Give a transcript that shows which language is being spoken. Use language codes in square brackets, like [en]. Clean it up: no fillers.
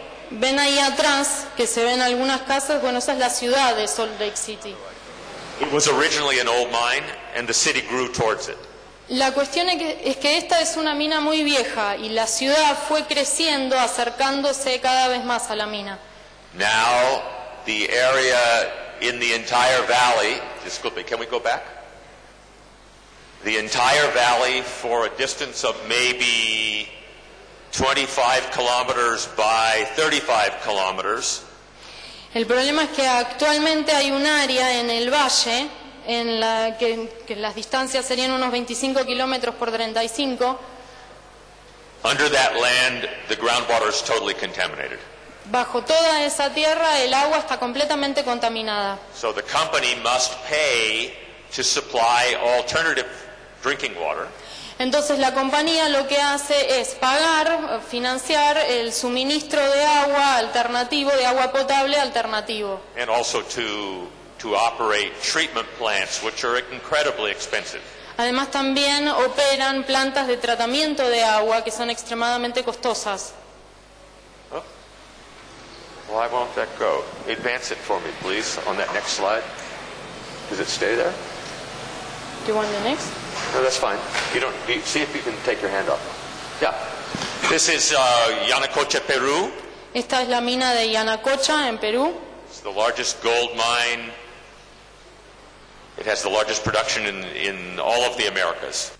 [es] Ven ahí atrás, que se ven algunas casas. Bueno, esa es la ciudad de Salt Lake City. [en] It was originally an old mine, and the city grew towards it. [es] La cuestión es que esta es una mina muy vieja, y la ciudad fue creciendo, acercándose cada vez más a la mina. [en] Now, the area in the entire valley, [es] disculpe, [en] can we go back? The entire valley for a distance of maybe 25 kilometers by 35 kilometers. [es] El problema es que actualmente hay un área en el valle en la que las distancias serían unos 25 kilómetros por 35. [en] Under that land, the groundwater is totally contaminated. [es] Bajo toda esa tierra, el agua está completamente contaminada. [en] So the company must pay to supply alternative drinking water. [es] Entonces la compañía lo que hace es pagar, financiar el suministro de agua alternativo, de agua potable alternativo. [en] And also to operate treatment plants, which are incredibly expensive. [es] Además también operan plantas de tratamiento de agua que son extremadamente costosas. [en] Oh. Why won't that go? Advance it for me, please, on that next slide. Does it stay there? Do you want the next? No, that's fine. See if you can take your hand off. Yeah. This is Yanacocha, Peru. [es] Esta es la mina de Yanacocha en Perú. [en] It's the largest gold mine. It has the largest production in all of the Americas.